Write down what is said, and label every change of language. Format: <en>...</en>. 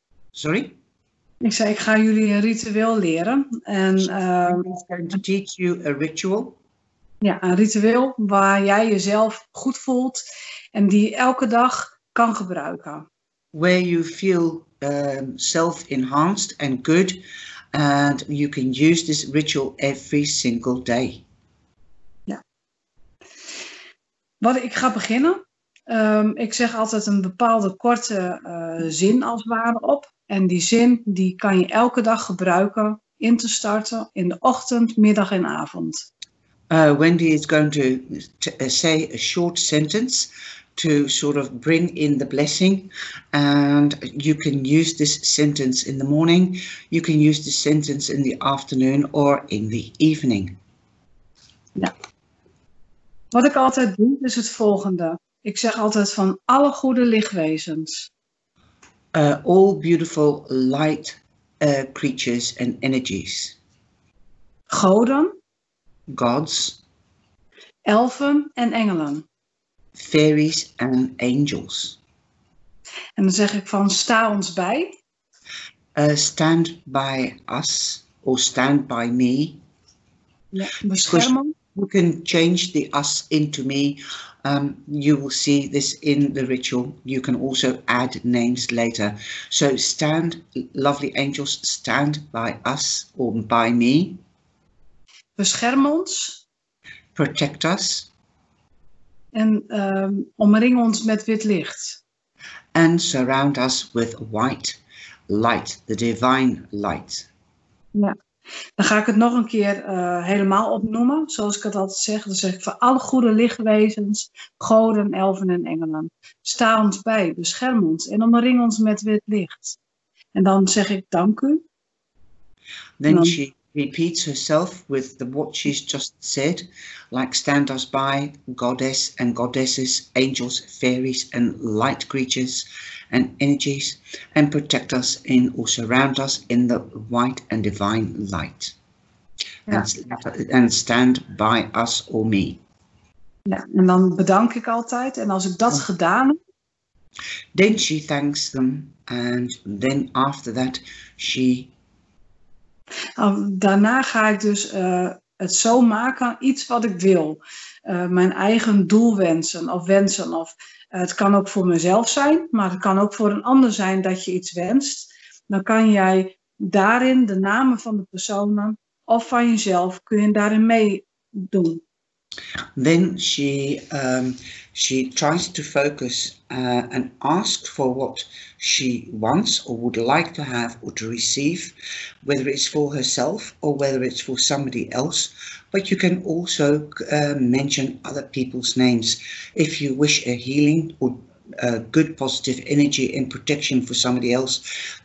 <en>Sorry?</en> <nl>Ik zei, ik ga jullie een ritueel leren. En,</nl> <en>I'm going to teach you a ritual.</en> <nl>Ja, een ritueel waar jij jezelf goed voelt en die je elke dag kan gebruiken.</nl> <en>Where you feel self-enhanced and good. And you can use this ritual every single day.</en> <nl>Ja. Wat ik ga beginnen. Ik zeg altijd een bepaalde korte zin als ware op. En die zin die kan je elke dag gebruiken in te starten in de ochtend, middag en avond.</nl> <en>Wendy is going to say a short sentence to sort of bring in the blessing, and you can use this sentence in the morning, you can use this sentence in the afternoon or in the evening.</en> <nl>Ja. Wat ik altijd doe is het volgende. Ik zeg altijd van alle goede lichtwezens.</nl> <en>All beautiful light creatures and energies.</en> <nl>Goden.</nl> <en>Gods.</en> <nl>Elfen en engelen.</nl> <en>Fairies and angels.</en> <nl>En dan zeg ik van sta ons bij.</nl> <en>Stand by us or stand by me.</en> <nl>Bescherm.</nl> <en>You can change the us into me. You will see this in the ritual. You can also add names later. So stand, lovely angels, stand by us or by me.</en> <nl>Bescherm ons.</nl> <en>Protect us.</en> <nl>En omring ons met wit licht.</nl> <en>And surround us with white light, the divine light.</en> <nl>Ja. Dan ga ik het nog een keer helemaal opnoemen, zoals ik het altijd zeg. Dan zeg ik voor alle goede lichtwezens, goden, elfen en engelen. Sta ons bij, bescherm ons en omring ons met wit licht. En dan zeg ik dank u.</nl> <en>Then she repeats herself with the what she's just said, like stand us by, goddess and goddesses, angels, fairies and light creatures and energies, and protect us in or surround us in the white and divine light. And stand by us or me.</en> <nl>Ja, en dan bedank ik altijd. En als ik dat gedaan heb.</nl> <en>Then she thanks them. And then after that she.</en> <nl>Daarna ga ik dus het zo maken. Iets wat ik wil. Mijn eigen doel wensen. Of wensen. Of, het kan ook voor mezelf zijn. Maar het kan ook voor een ander zijn dat je iets wenst. Dan kan jij daarin de namen van de personen. Of van jezelf kun je daarin mee doen.</nl> <en>Then she tries to focus and ask for what she wants or would like to have or to receive, whether it's for herself or whether it's for somebody else. But you can also mention other people's names if you wish a healing or good positive energy and protection for somebody else.</en>